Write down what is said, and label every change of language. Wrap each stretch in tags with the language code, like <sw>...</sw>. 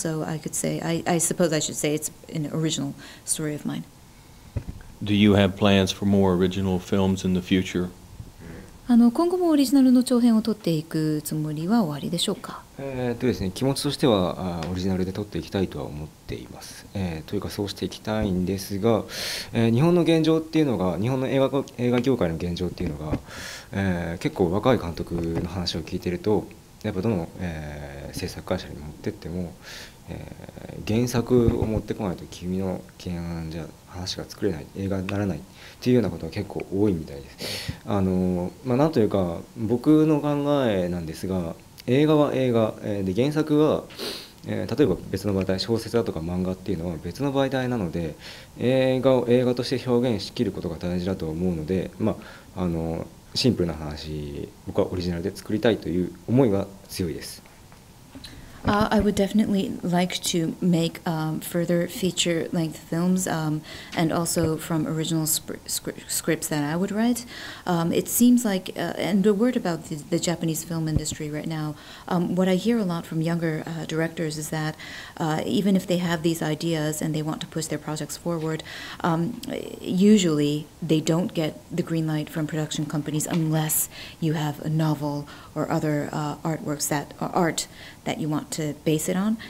<en>So I could say, I suppose I should say it's an original story of mine. Do you have plans for more original films in the future?</en> <ja>今後もオリジナルの長編を撮っていくつもりはおありでしょうか？ですね、気持ちとしてはオリジナルで撮っていきたいとは思っています。というかそうしていきたいんですが、日本の現状っていうのが、日本の映画業界の現状っていうのが、結構若い監督の話を聞いてると、やっぱどの、制作会社に持ってっても、原作を持ってこないと君の原案じゃ話が作れない、映画にならないというようなことが結構多いみたいです。まあ、なんというか僕の考えなんですが、映画は映画で原作は、例えば別の媒体、小説だとか漫画っていうのは別の媒体なので、映画を映画として表現しきることが大事だと思うので、まあシンプルな話、僕はオリジナルで作りたいという思いが強いです。</ja> <en>I would definitely like to make further feature length films and also from original scripts that I would write. It seems like, and a word about the Japanese film industry right now, what I hear a lot from younger directors is that even if they have these ideas and they want to push their projects forward, usually they don't get the green light from production companies unless you have a novel or other artworks that are art that you want to base it on.</en>